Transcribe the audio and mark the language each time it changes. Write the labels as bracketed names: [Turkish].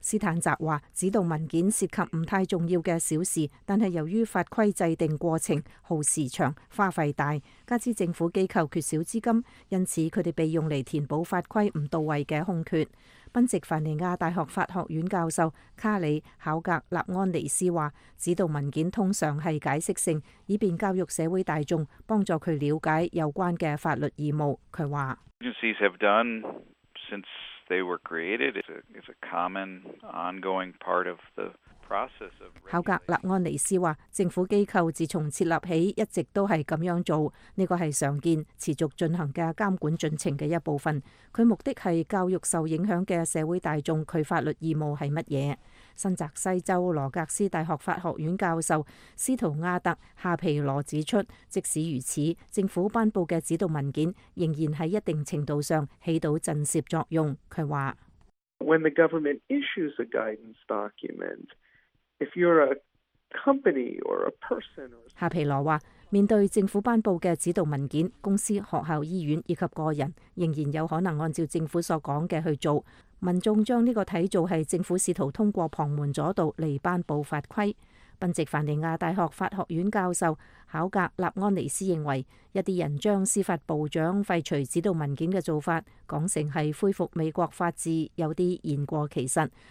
[Chinese] 斯坦泽说，指导文件涉及不太重要的小事，但是由于法规制定过程耗时长、花费大，加之政府机构缺少资金，因此他们被用来填补法规不到位的空缺。宾夕凡尼亚大学法学院教授卡里考格纳安尼斯说，指导文件通常是解释性，以便教育社会大众，帮助他了解有关的法律义务。他说 [English] Agencies have done since they were created. It's a common ongoing part of the process of. [Chinese] 考格纳安尼斯说，政府机构自从设立起一直都是这样做，这个是常见持续进行的监管进程的一部分。他目的是教育受影响的社会大众他法律义务是什么。新泽西州罗格斯大学法学院教授斯图亚特夏皮罗指出，即使如此，政府颁布的指导文件仍然在一定程度上起到震慑作用。他说 [English] When the government issues a guidance document, if you're a company or a person, [Chinese] 夏皮罗说，面对政府颁布的指导文件，公司、学校、医院以及个人仍然有可能按照政府所讲的去做。民众将这个看作是政府试图通过旁门左道来颁布法规。宾夕凡尼亚大学法学院教授考格纳安尼斯认为，一些人将司法部长废除指导文件的做法讲成是恢复美国法治有些言过其实。